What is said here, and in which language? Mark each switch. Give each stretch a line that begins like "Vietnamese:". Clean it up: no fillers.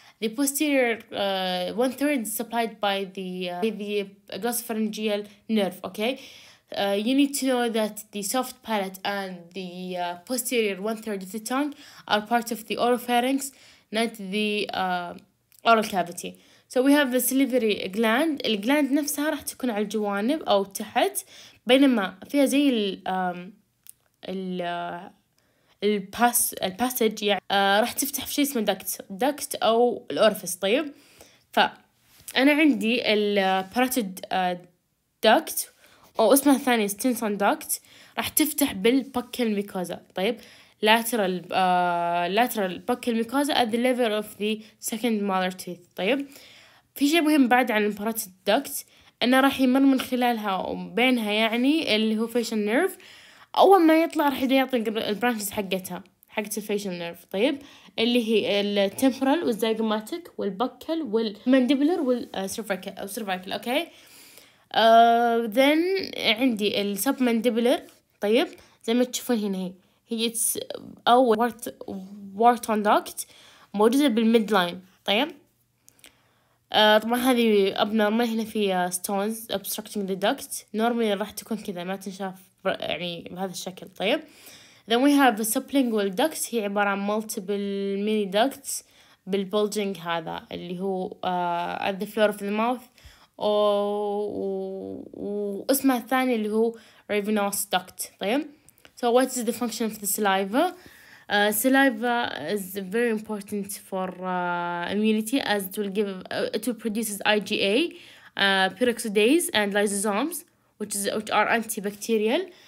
English: The posterior one-third is supplied by the glossopharyngeal nerve, okay? You need to know that the soft palate and the posterior one-third of the tongue are part of the oropharynx, not the oral cavity. So we have the salivary gland.
Arabic: The gland نفسها راح تكون على الجوانب أو تحت, بينما فيها زي ال الباسج يعني راح تفتح في شيء اسمه دكت أو الأورفيس. طيب فأنا عندي الباراتيد دكت أو اسمها الثاني ستينسون دكت, راح تفتح بالبكل ميكوزا.
English: طيب lateral buccal mucosa at the level of the second molar teeth.
Arabic: طيب في شيء مهم بعد عن الباراتيد دكت, أنا راح يمر من خلالها وبينها يعني اللي هو فيشل نيرف. أول ما يطلع راح يعطي البرانشز حقت الفيشل نيرف. طيب اللي هي التمبرال والزيجماتيك والبكل والمانديبولر والسيرفيكال.
English: Okay then عندي السب mandibular.
Arabic: طيب زي ما تشوفون هنا هي it's أول وارتون دكت موجودة بالميد لاين. طيب طبعا هذه abnormal, هنا في
English: stones obstructing the duct,
Arabic: normally راح تكون كذا ما تنشاف يعني بهذا الشكل. طيب
English: then we have the sublingual ducts,
Arabic: هي عبارة عن
English: multiple mini ducts
Arabic: بالbulging هذا اللي هو
English: at the floor of the mouth,
Arabic: واسمها الثاني اللي هو ravenous duct.
English: طيب so what is the function of the saliva? Saliva is very important for immunity as it will give it will produces IgA, peroxidase and lysosomes which are antibacterial.